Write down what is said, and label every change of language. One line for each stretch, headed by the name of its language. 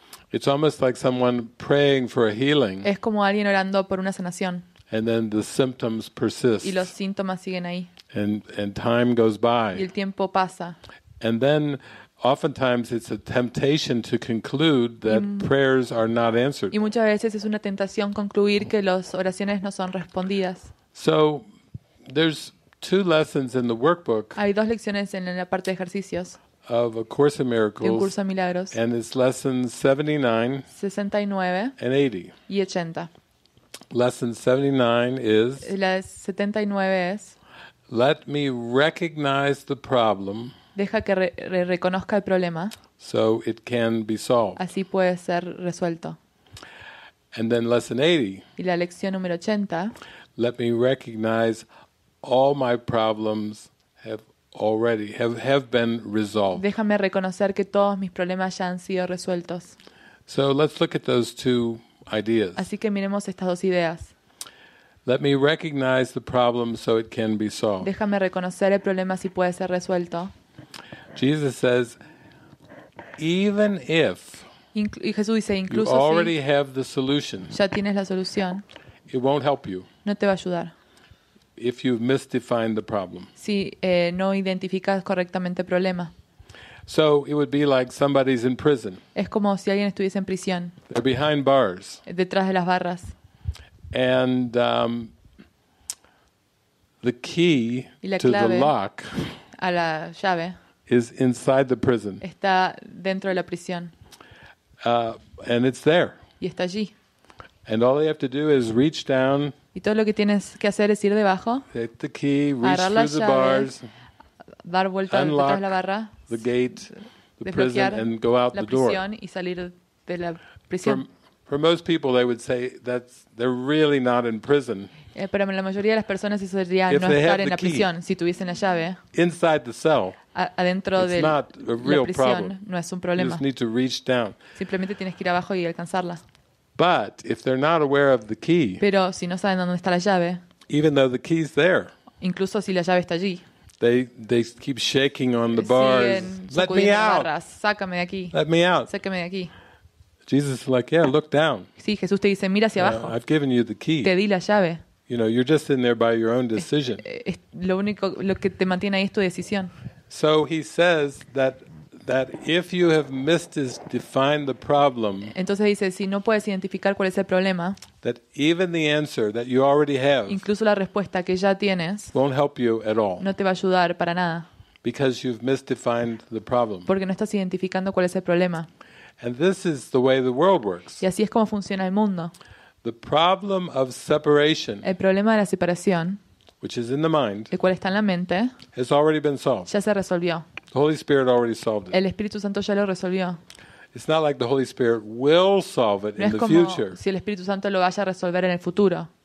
English: It's almost like someone praying for a healing.
Spanish: Es como alguien orando por una sanación.
English: And then the symptoms persist.
Spanish: Y los síntomas siguen ahí.
English: And time goes by.
Spanish: Y el tiempo pasa.
English: And then oftentimes it's a temptation to conclude that prayers are not answered.
Spanish: Y muchas veces es una tentación concluir que las oraciones no son respondidas.
English: So there's two lessons in the workbook.
Spanish: Hay dos lecciones en la parte de ejercicios.
English: Of A Course in Miracles.
Spanish: De un curso de milagros.
English: And it's lessons 79 and 80.
Spanish: Y 80.
English: Lesson 79 is.
Spanish: La 79 es.
English: Let me recognize the problem.
Spanish: Deja que reconozca el problema.
English: So it can be solved.
Spanish: Así puede ser resuelto.
English: And then lesson 80.
Spanish: Y la lección número 80.
English: Let me recognize all my problems have been resolved.
Spanish: Déjame reconocer que todos mis problemas ya han sido resueltos.
English: So let's look at those two ideas.
Spanish: Así que miremos estas dos ideas.
English: Let me recognize the problem so it can be solved.
Spanish: Déjame reconocer el problema si puede ser resuelto.
English: Jesus says, even if
Spanish: Jesús dice,
English: you already have the solution,
Spanish: ya tienes la solución,
English: it won't help you.
Spanish: No te va a ayudar.
English: If you've misdefined the problem.
Spanish: Si no identificas correctamente el problema.
English: So it would be like somebody's in prison.
Spanish: Es como si alguien estuviese en prisión.
English: They're behind bars.
Spanish: Detrás de las barras.
English: And the key to the lock
Spanish: a la llave
English: is inside the prison.
Spanish: Está dentro de la prisión.
English: And it's there.
Spanish: Y está allí.
English: And all they have to do is reach down.
Spanish: Y todo lo que tienes que hacer es ir debajo.
English: Hit the key, reach through the bars,
Spanish: dar vuelta detrás de la barra,
English: the gate, the prison, and go out the door.
Spanish: La prisión y salir de la prisión.
English: For most people, they would say they're really not in prison.
Spanish: Pero la mayoría de las personas eso sería no estar en la prisión si tuviesen la llave.
English: Inside the cell,
Spanish: adentro de la prisión, no es un problema.
English: You just need to reach down.
Spanish: Simplemente tienes que ir abajo y alcanzarla.
English: But if they're not aware of the key,
Spanish: pero si no saben dónde está la llave,
English: even though the key's there,
Spanish: incluso si la llave está allí.
English: They keep shaking on the bars. Let me out.
Spanish: Sácame de aquí.
English: Let me out.
Spanish: Sácame de aquí.
English: Jesus is like, yeah, look down.
Spanish: Sí, Jesús te dice, mira hacia abajo.
English: I've given you the key.
Spanish: Te di la llave.
English: You know, you're just in there by your own decision.
Spanish: Lo único, lo que te mantiene ahí es tu decisión.
English: So he says that if you have missed is define the problem.
Spanish: Entonces dice, si no puedes identificar cuál es el problema.
English: That even the answer that you already have.
Spanish: Incluso la respuesta que ya tienes.
English: Won't help you at all.
Spanish: No te va a ayudar para nada.
English: Because you've misdefined the problem.
Spanish: Porque no estás identificando cuál es el problema.
English: And this is the way the world works.
Spanish: Y así es como funciona el mundo.
English: The problem of separation.
Spanish: El problema de la separación.
English: Which is in the mind.
Spanish: El cual está en la mente.
English: Has already been solved.
Spanish: Ya se resolvió.
English: The Holy Spirit already solved it.
Spanish: El Espíritu Santo ya lo resolvió.
English: It's not like the Holy Spirit will solve it in the future.
Spanish: No es como si el Espíritu Santo lo vaya a resolver en el futuro.